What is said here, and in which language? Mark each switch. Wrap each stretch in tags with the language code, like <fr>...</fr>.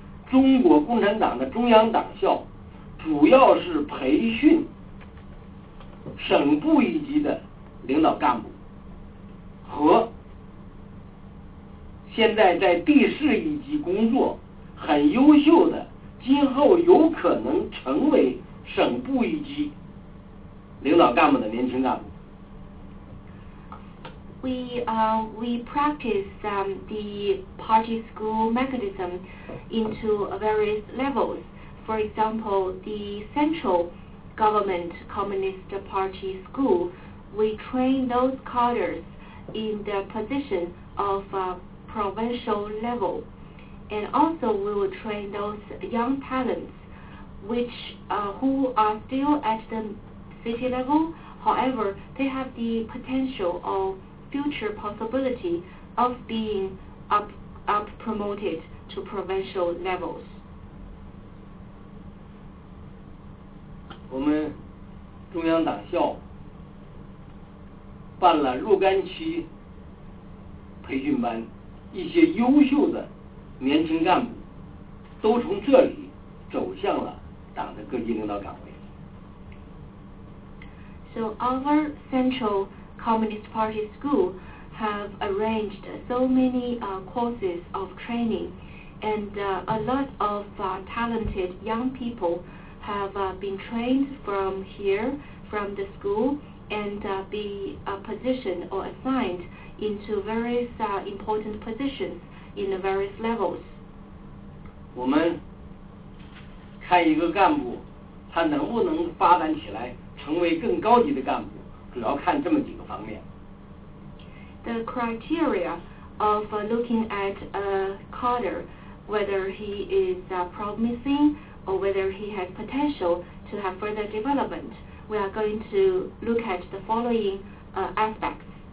<zh>中国共产党的中央党校主要是培训省部一级的领导干部和现在在地市一级工作很优秀的今后有可能成为省部一级领导干部的年轻干部。</zh> <en>We practice the party school mechanism into various levels. For example, the central government Communist Party school, we train those cadres in the position of provincial level. And also we will train those young talents which, who are still at the city level. However, they have the potential of future possibility of being up promoted to provincial levels.</en> <zh>我们中央党校办了若干期培训班，一些优秀的年轻干部都从这里走向了党的各级领导岗位。</zh> <en>So our central Communist Party school have arranged so many courses of training, and a lot of talented young people have been trained from here, from the school, and be positioned or assigned into various important positions in the various levels.</en> <zh>我们看一个干部他能不能发展起来成为更高级的干部，主要看这么几个方面。</zh> <en>The criteria of looking at a cadre, whether he is promising or whether he has potential to have further development, we are going to look at the following aspects.</en>